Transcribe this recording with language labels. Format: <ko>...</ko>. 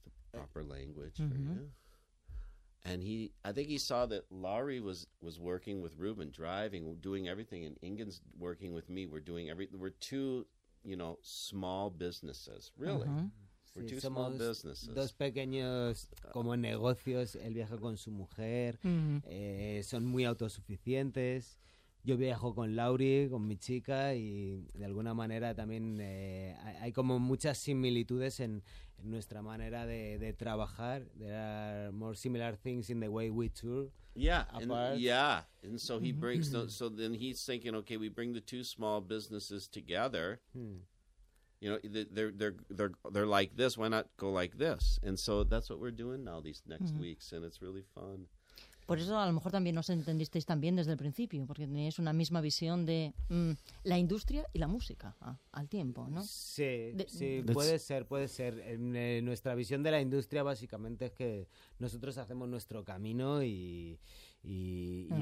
<en>proper language, mm-hmm, for you. And I think he saw that Laurie was working with Ruben, driving, doing everything, and Ingen's working with me. We're doing everything. We're two, you know, small businesses, really. Uh-huh. We're two small businesses.</en> <es>Dos pequeños como negocios. Él viaja con su mujer. Mm-hmm. Son muy autosuficientes. Yo viajo con Laurie, con mi chica, y de alguna manera también hay como muchas similitudes en nuestra manera de trabajar.</es> <en>There are more similar things in the way we tour. Yeah, and so he brings, so then he's thinking, okay, we bring the two small businesses together, You know, they're like this. Why not go like this? And so that's what we're doing now these next mm-hmm. weeks, and it's really fun.</en> <es>Por eso a lo mejor también os entendisteis también desde el principio, porque teníais una misma visión de la industria y la música al tiempo, ¿no? Sí, puede ser. Nuestra visión de la industria básicamente es que nosotros hacemos nuestro camino y uh-huh.</es>